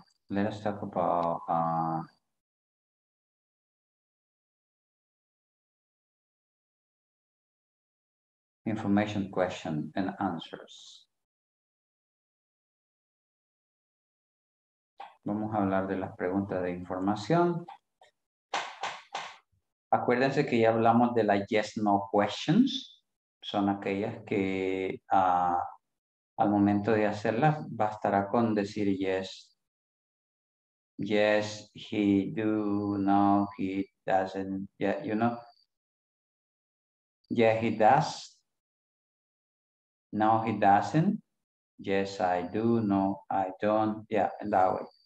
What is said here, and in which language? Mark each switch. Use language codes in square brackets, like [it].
[en] Let us talk about information question and answers. [es] Vamos a hablar de las preguntas de información. Acuérdense que ya hablamos de las [en] yes, no questions. [es] Son aquellas que al momento de hacerlas bastará con decir yes. [en] Yes, he do, no, he doesn't, yeah, you know. Yeah, he does. No, he doesn't. Yes, I do, no, I don't. Yeah, in that way.